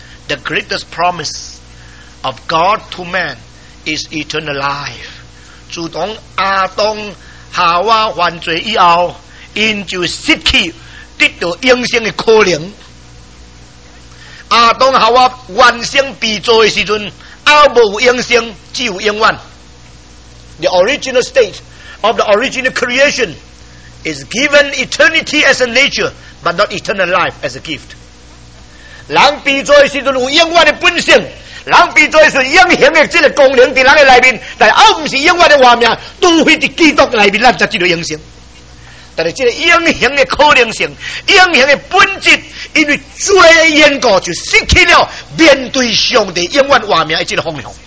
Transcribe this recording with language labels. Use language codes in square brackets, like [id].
[en] The greatest promise of God to man is eternal life。 [nan] 自从亚当夏娃犯罪以后，因就失去得到永生的可能。亚当夏娃原先被造的时阵，也无有永生，只有永远。 [en] The original state of the original creation is given eternity as a nature。 But not eternal life as a gift. [nan] 人被造的时阵有永远的本性，人被造的时阵永恒的这个功能在人的内面，但也不是永远的活命，除非在基督内面，咱才知道永生。但是这个永恒的可能性、永恒的本质，因为罪的缘故，就失去了面对上帝永远活命的这个方向。